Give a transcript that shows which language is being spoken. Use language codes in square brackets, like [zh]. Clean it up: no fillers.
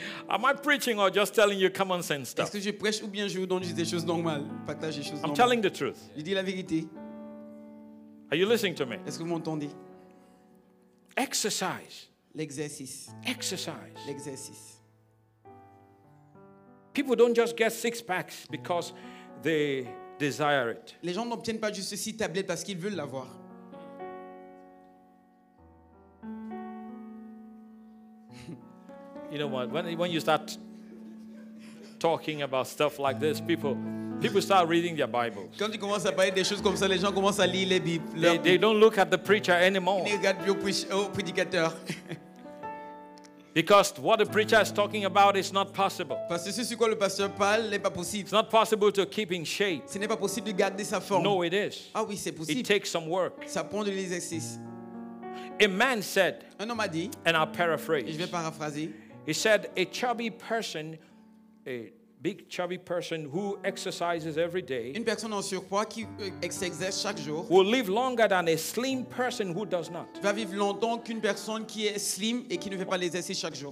[en] Am I preaching or just telling you common sense stuff? [fr] Est-ce que je prêche ou bien je vous donne des choses normales, partage des choses normales? [en] I'm telling the truth. [fr] Je dis la vérité. [en] Are you listening to me? [fr] Est-ce que vous m'entendez? [en] Exercise. [fr] L'exercice. [en] Exercise. [fr] L'exercice. [en] People don't just get six packs because they desire it. [fr] Les gens n'obtiennent pas juste six tablettes parce qu'ils veulent l'avoir. [en] You know what? When you start talking about stuff like this, people start reading their Bibles. [fr] Quand tu commences à parler des choses comme ça, les gens commencent à lire les Bibles. [en] They don't look at the preacher anymore. [fr] Ils ne regardent plus au prédicateur. [en] Because what the preacher is talking about is not possible. [fr] Parce que ce que le pasteur parle n'est pas possible. [en] It's not possible to keep in shape. [fr] Ce n'est pas possible de garder sa forme. [en] No, it is. [fr] Ah oui, c'est possible. [en] It takes some work. [fr] Ça prend de l'exercice. [en] A man said. [fr] Un homme a dit. [en] And I'll paraphrase. [fr] Je vais paraphraser. [en] He said, a chubby person, a big chubby person who exercises every day, [fr] une personne en surpoids qui s'exerce chaque jour, [en] will live longer than a slim person who does not. [fr] Va vivre longtemps qu'une personne qui est slim et qui ne fait pas les exercices chaque jour.